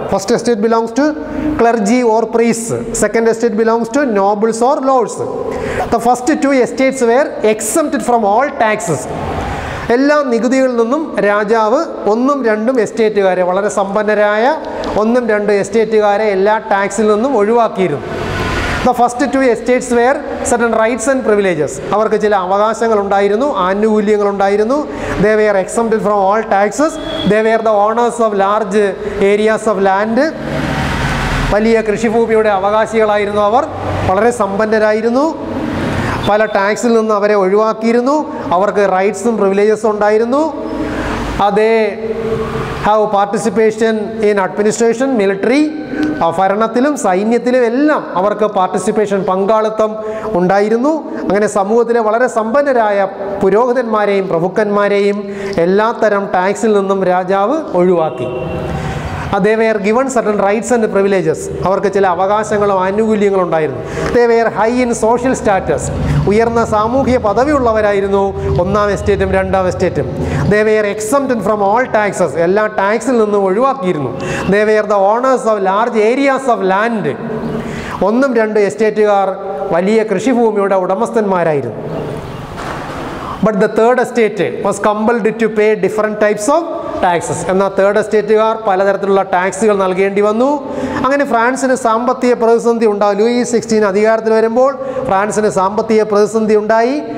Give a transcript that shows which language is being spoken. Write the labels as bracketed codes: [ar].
[en] First estate belongs to clergy or priests. Second estate belongs to nobles or lords. The first two estates were exempted from all taxes. [ml] എല്ലാ നികുതികളിൽ നിന്നും രാജാവ് ഒന്നും രണ്ടും എസ്റ്റേറ്റുകാരെ, വളരെ സമ്പന്നരായ ഒന്നും രണ്ട് എസ്റ്റേറ്റുകാരെ എല്ലാ ടാക്സിൽ നിന്നും ഒഴിവാക്കിയിരുന്നു. [en] The first two estates were certain rights and privileges. [ml] അവർക്ക് ചില അവകാശങ്ങൾ ഉണ്ടായിരുന്നു, ആനുകൂല്യങ്ങൾ ഉണ്ടായിരുന്നു. [en] They were exempted from all taxes. They were the owners of large areas of land. [ml] വലിയ കൃഷിഭൂമിയുടെ അവകാശികളായിരുന്നു അവർ. വളരെ സമ്പന്നരായിരുന്നു. പല ടാക്സിൽ നിന്ന് അവരെ ഒഴിവാക്കിയിരുന്നു. അവർക്ക് റൈറ്റ്സും പ്രിവിലേജസും ഉണ്ടായിരുന്നു. [en] അതേ have participation in administration military [ml] ഭരണത്തിലും സൈന്യത്തിലും എല്ലാം അവർക്ക് പാർട്ടിസിപ്പേഷൻ പങ്കാളിത്തം ഉണ്ടായിരുന്നു. അങ്ങനെ സമൂഹത്തിലെ വളരെ സമ്പന്നരായ പുരോഹിതന്മാരെയും പ്രഭുക്കന്മാരെയും എല്ലാത്തരം ടാക്സിൽ നിന്നും രാജാവ് ഒഴിവാക്കി. [en] They were given certain rights and privileges. [ml] അവർക്ക് ചില അവകാശങ്ങളും ആനുകൂല്യങ്ങളും ഉണ്ടായിരുന്നു. [en] They were high in social status. [ml] ഉയർന്ന സാമൂഹിക പദവിയുള്ളവരായിരുന്നു ഒന്നാം എസ്റ്റേറ്റും രണ്ടാം എസ്റ്റേറ്റും. [en] They were exempted from all taxes. [ml] എല്ലാ ടാക്സിൽ നിന്നും ഒഴിവാക്കിയിരുന്നു. [en] They were the owners of large areas of land. [ml] ഒന്നും രണ്ട് എസ്റ്റേറ്റുകാർ വലിയ കൃഷിഭൂമിയുടെ ഉടമസ്ഥന്മാരായിരുന്നു. [en] But the third estate was compelled to pay different types of taxes. [ml] എന്ന തേർഡ് എസ്റ്റേറ്റുകാർ പലതരത്തിലുള്ള ടാക്സുകൾ നൽകേണ്ടി വന്നു. അങ്ങനെ ഫ്രാൻസിന് സാമ്പത്തിക പ്രതിസന്ധി ഉണ്ടായി. ലൂയി XVI അധികാരത്തിൽ വരുമ്പോൾ ഫ്രാൻസിന് സാമ്പത്തിക പ്രതിസന്ധി ഉണ്ടായി.